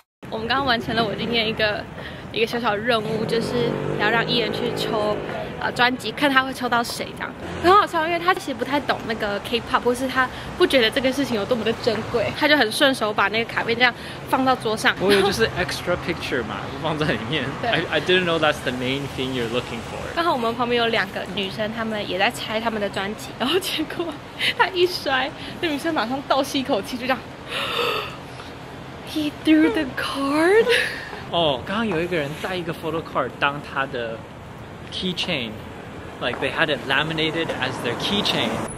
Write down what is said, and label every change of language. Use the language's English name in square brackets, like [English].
[Chinese] 我们刚刚完成了我今天一个小小任务，就是要让艺人去抽专辑，看他会抽到谁这样。很好笑，因为他其实不太懂那个 K-pop， 或是他不觉得这个事情有多么的珍贵，他就很顺手把那个卡片这样放到桌上。我以为就是 [English] extra picture [Chinese] 嘛，放在里面。 [English] I didn't know that's the main thing you're looking for。 [Chinese] 刚好我们旁边有两个女生，她们也在拆她们的专辑，然后结果她一摔，那女生马上倒吸一口气，就这样。 [English] He threw the card 。 [Chinese] 哦，刚刚有一个人带一个 [English] photo card [Chinese] 当他的 [English] keychain， like they had it laminated as their keychain。